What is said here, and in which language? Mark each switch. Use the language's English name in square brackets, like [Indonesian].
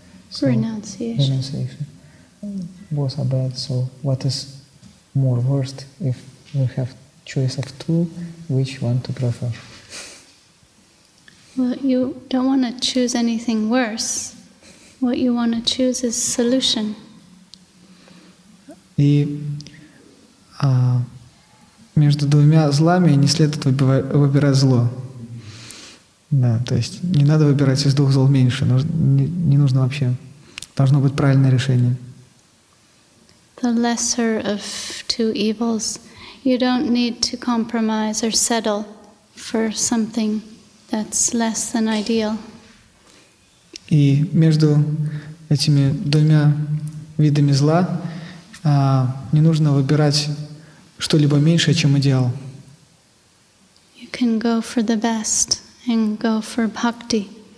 [English] So renunciation. Both are bad, so what is more worst if we have choice of two, which one to prefer? Well, you don't want to choose anything worse. What you want to choose is solution. [Russian] И между двумя злами не следует выбирать зло. Да, то есть не надо выбирать из двух зол меньше, не нужно вообще. Должно быть правильное решение. [English] The lesser of two evils. You don't need to compromise or settle for something that's less than ideal. [Russian] И между этими двумя видами зла не нужно выбирать что-либо меньшее, чем идеал. [English] You can go for the best and go for bhakti.